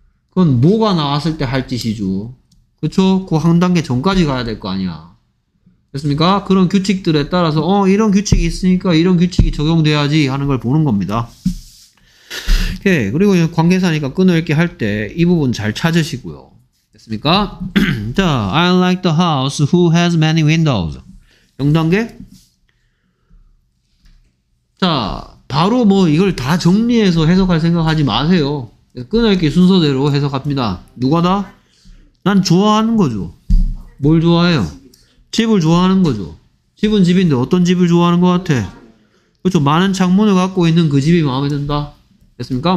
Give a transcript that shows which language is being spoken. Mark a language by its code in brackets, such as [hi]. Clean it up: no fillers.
[ko] 그건 뭐가 나왔을 때 할 짓이죠. 그쵸? 그 한 단계 전까지 가야 될 거 아니야. 됐습니까? 그런 규칙들에 따라서 이런 규칙이 있으니까 이런 규칙이 적용돼야지 하는 걸 보는 겁니다. 오케이. 그리고 관계사니까 끊어읽기 할 때 이 부분 잘 찾으시고요. 됐습니까? [en] 자, I like the house who has many windows. [ko] 0단계? 자 바로 뭐 이걸 다 정리해서 해석할 생각 하지 마세요. 끊어읽기 순서대로 해석합니다. 누가 다? 난 좋아하는 거죠. 뭘 좋아해요? 집을 좋아하는 거죠. 집은 집인데 어떤 집을 좋아하는 것 같아? 그렇죠. 많은 창문을 갖고 있는 그 집이 마음에 든다. 됐습니까?